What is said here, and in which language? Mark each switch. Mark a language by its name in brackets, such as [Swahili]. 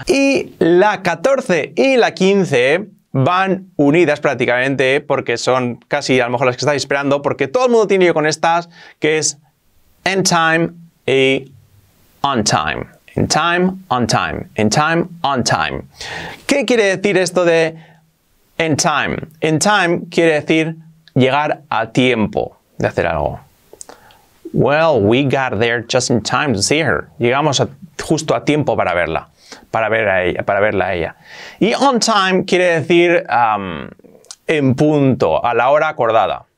[Spanish] Y la 14 y la 15 van unidas prácticamente porque son casi a lo mejor las que estáis esperando porque todo el mundo tiene yo con estas, que es in time y on time. [English] In time, on time. In time, on time. [Spanish] ¿Qué quiere decir esto de in time? In time quiere decir llegar a tiempo de hacer algo. [English] Well, we got there just in time to see her. [Spanish] Llegamos justo a tiempo para verla. Para verla a ella. Y on time quiere decir en punto, a la hora acordada.